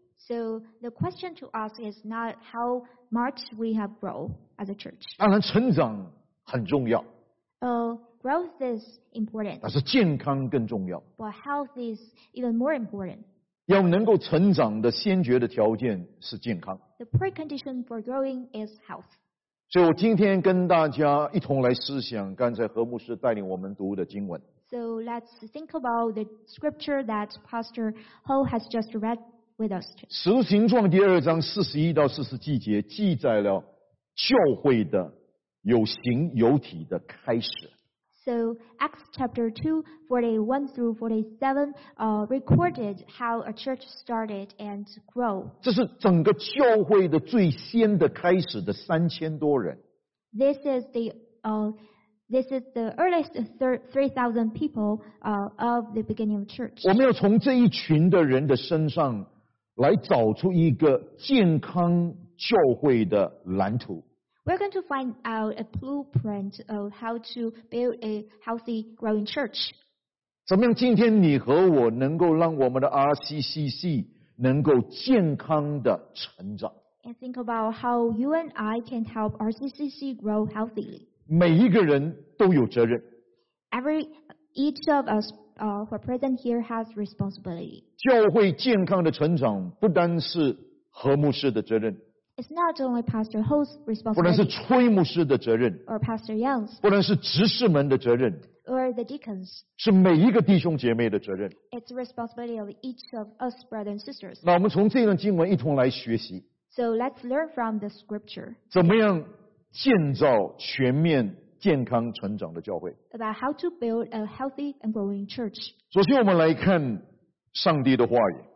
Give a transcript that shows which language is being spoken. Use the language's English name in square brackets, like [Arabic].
[English] So the question to us is not how much we have grown as a church. [Chinese] 当然成长。很重要。 [English] Growth is important. [Chinese] 但是健康更重要。 [English] But health is even more important. [Chinese] 要能够成长的先决的条件是健康。 [English] The precondition for growing is health. [Chinese] 所以我今天跟大家一同来思想刚才何牧师带领我们读的经文。 [English] So let's think about the scripture that Pastor Ho has just read with us. [Chinese] 使徒行传第二章41-47节记载了教会的有形有体的开始。 [English] So Acts chapter 2:41-47 recorded how a church started and grew. [Chinese] 这是整个教会的最先的开始的3000多人。 [English] This is the earliest 3,000 people of the beginning of church. [Chinese] 我们要从这一群的人的身上来找出一个健康教会的蓝图。 [English] We're going to find out a blueprint of how to build a healthy, growing church. [Chinese] 怎么样今天你和我能够让我们的 RCCC 能够健康的成长。 [English] And think about how you and I can help RCCC grow healthily. [Chinese] 每一个人都有责任。 [English] Each of us who are present here has responsibility. [Chinese] 教会健康的成长不单是何牧师的责任。 [English] It's not only Pastor Ho's responsibility. [Chinese] 不能是崔牧师的责任。 [English] Or Pastor Young's. [Chinese] 不能是执事们的责任。 [English] Or the deacons. [Chinese] 是每一个弟兄姐妹的责任。 [English] It's the responsibility of each of us brothers and sisters. [Chinese] 那我们从这段经文一同来学习。 [English] So let's learn from the scripture. [Chinese] 怎么样建造全面健康成长的教会。 [English] About how to build a healthy and growing church. [Chinese] 首先我们来看上帝的话语。